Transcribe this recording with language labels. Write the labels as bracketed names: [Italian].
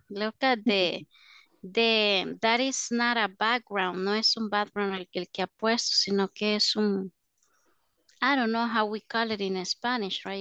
[English] Look at the that is not a background. [Spanish] No es un background el que ha puesto, sino que es un... [English] I don't know how we call it in Spanish, right?